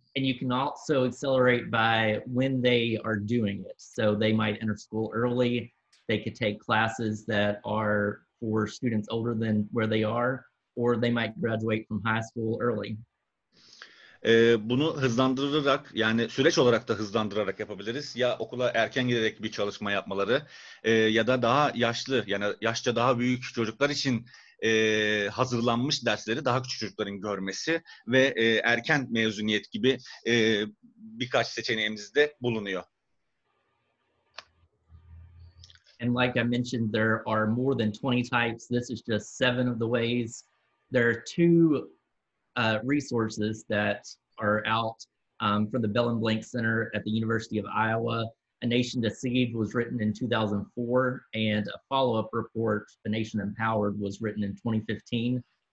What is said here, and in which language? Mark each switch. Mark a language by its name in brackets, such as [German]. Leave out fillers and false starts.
[English] And you can also accelerate by when they are doing it. So they might enter school early. They could take classes that are for students older than where they are, or they might graduate from high school early. [Turkish] Bunu hızlandırarak, yani süreç olarak da hızlandırarak yapabiliriz. Ya okula erken giderek bir çalışma yapmaları, ya da daha yaşlı, yani yaşça daha büyük çocuklar için hazırlanmış dersleri daha küçük çocukların görmesi ve erken mezuniyet gibi birkaç seçeneğimizde bulunuyor. [English] And like I mentioned, there are more than 20 types. This is just 7 of the ways. There are 2 resources that are out from the Bell and Blank Center at the University of Iowa. A Nation Deceived was written in 2004, and a follow-up report, A Nation Empowered, was written in 2015.